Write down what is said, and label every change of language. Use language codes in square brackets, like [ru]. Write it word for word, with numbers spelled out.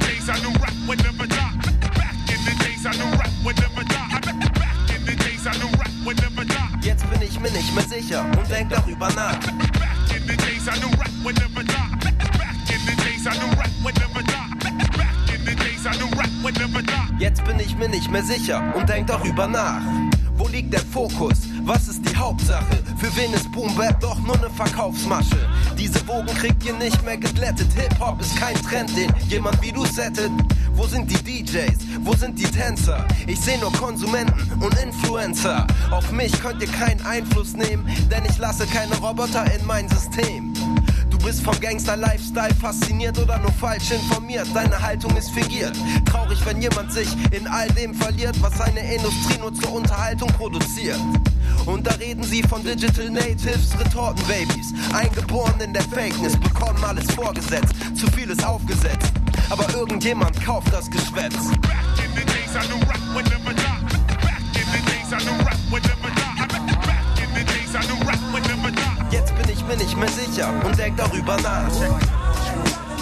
[en] I knew rap would never die. Back in the days I knew rap would never die. Back in the days I knew rap would never die. [de] Jetzt bin ich mir nicht mehr sicher und denk darüber nach. [en] Back in the days I knew rap would never die. Back in the days I knew rap would never die. Back in the days I knew rap would never die. [de] Jetzt bin ich mir nicht mehr sicher und denk darüber nach. Wo liegt der Fokus? Was ist die Hauptsache? Für wen ist Boom Bap doch nur eine Verkaufsmasche? Diese Wogen kriegt ihr nicht mehr geglättet. Hip-Hop ist kein Trend, den jemand wie du settet. Wo sind die D Js? Wo sind die Tänzer? Ich seh nur Konsumenten und Influencer. Auf mich könnt ihr keinen Einfluss nehmen, denn ich lasse keine Roboter in mein System. Du bist vom Gangster-Lifestyle fasziniert oder nur falsch informiert. Deine Haltung ist fingiert. Traurig, wenn jemand sich in all dem verliert, was seine Industrie nur zur Unterhaltung produziert. Und da reden sie von Digital Natives, Retortenbabys, eingeboren in der Fakeness, bekommen alles vorgesetzt, zu viel ist aufgesetzt. Aber irgendjemand kauft das Geschwätz. [en] Back in the days I knew rap would never die. Back in the days I knew rap would never die. Back in the days I knew rap would never die. [de] Jetzt bin ich mir nicht mehr sicher und denk darüber nach.